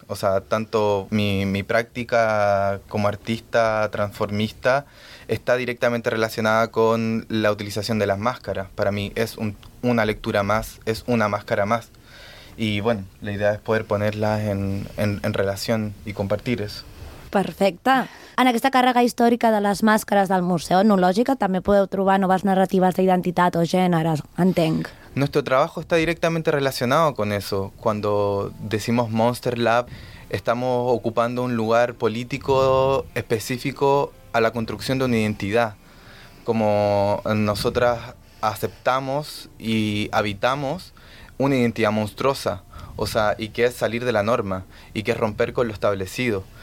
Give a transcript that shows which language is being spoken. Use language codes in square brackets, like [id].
[es] O sea, tanto mi práctica como artista transformista está directamente relacionada con la utilización de las máscaras. Para mí es una lectura más, es una máscara más. Y bueno, la idea es poder ponerlas en relación y compartir eso. [ca] Perfecte. En aquesta càrrega històrica de les màscares del Museu Etnològic també podeu trobar noves narratives d'identitat o gèneres, entenc. [es] Nuestro trabajo está directamente relacionado con eso. Cuando decimos Monster Lab, estamos ocupando un lugar político específico a la construcción de una identidad. Como nosotras aceptamos y habitamos una identidad monstruosa, o sea, y que es salir de la norma, y que es romper con lo establecido.